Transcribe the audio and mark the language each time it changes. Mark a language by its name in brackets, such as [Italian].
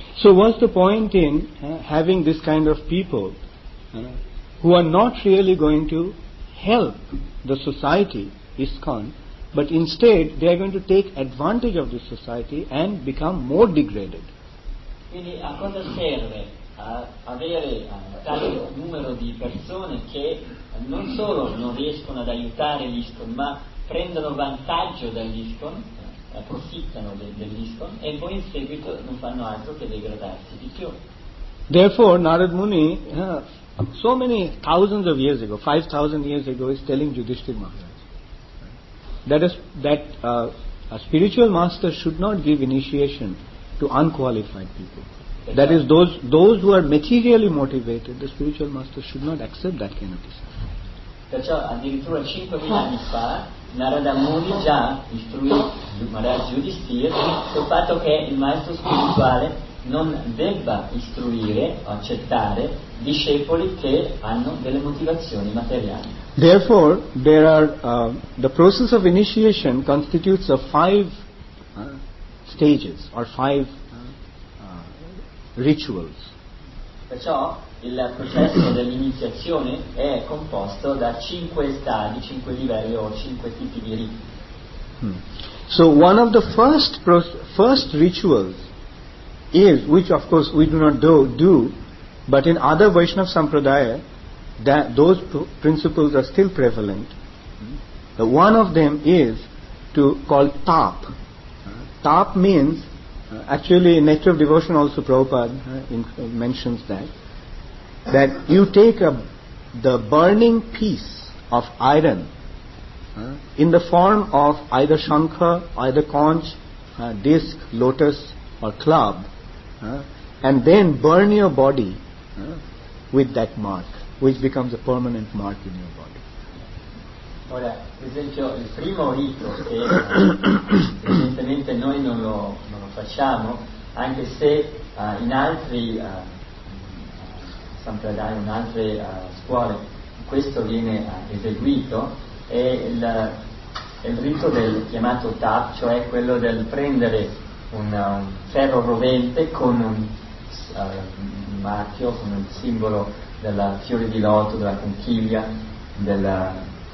[English] So what's the point in having this kind of people who are not really going to help the society, ISKCON, but instead they are going to take advantage of the society and become more degraded? [Italian] Quindi a cosa serve avere tale numero di persone che non solo non riescono ad aiutare l'ISKCON, ma prendono vantaggio dall'ISKCON, approfittano dell'ISKCON, e poi in seguito non fanno altro che degradarsi di più? [English] Therefore, Narada Muni, so many thousands of years ago, 5,000 years ago, is telling Yudhishthira Maharaj that a spiritual master should not give initiation to unqualified people. That is, those who are materially motivated, the spiritual master should not accept that kind of discipline. [Italian] Perciò addirittura 5,000 anni fa Narada Muni già istruì Maharaj Yudhishthira sul fatto che il maestro spirituale non debba istruire o accettare discepoli che hanno delle motivazioni materiali. [English] Therefore, there are the process of initiation constitutes of five stages or five rituals. [Italian] Perciò il processo dell'iniziazione è composto da cinque stadi, cinque livelli o cinque tipi di riti. [English] So one of the first rituals is, which of course we do not do, but in other Vaishnava Sampradaya, that those principles are still prevalent. The one of them is to call tap. Tap means, actually in Nature of Devotion also Prabhupada mentions that you take the burning piece of iron in the form of either shankha, either conch, disc, lotus or club, and then burn your body with that mark, which becomes a permanent mark in your body. [Italian] Ora, per esempio, il primo rito che evidentemente noi non lo facciamo, anche se in altri sampradaya, in altre scuole, questo viene eseguito, è il rito del chiamato tap, cioè quello del prendere un ferro rovente con un marchio, con il simbolo della fiore di loto, della conchiglia, della